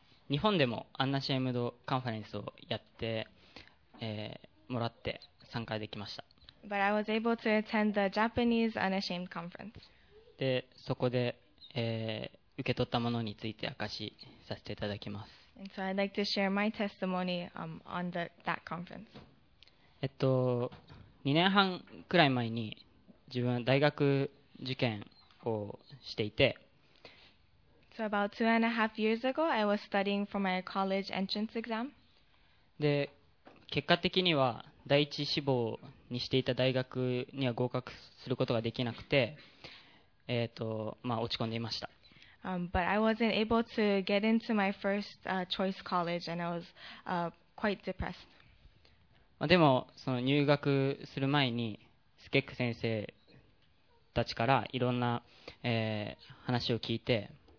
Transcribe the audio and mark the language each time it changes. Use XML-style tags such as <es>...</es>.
<ja>日本でもアンナシエムドカンファレンスをやって、もらって参加できました。</ja> <en>But I was able to attend the Japanese Unashamed Conference.</en> <ja>で、そこで、受け取ったものについて証しさせていただきます。</ja> <en>And so I'd like to share my testimony on that conference.</en> <ja>2年半くらい前に自分は大学受験をしていて</ja> <en>So about two and a half years ago, I was studying for my college entrance exam.</en> <ja>で、結果的には第一志望にしていた大学には合格することができなくて、まあ落ち込んでいました。</ja> <en>But I wasn't able to get into my first choice college and I was quite depressed.</en> <ja>でもその入学する前にスケック先生たちからいろんな、話を聞いて</ja>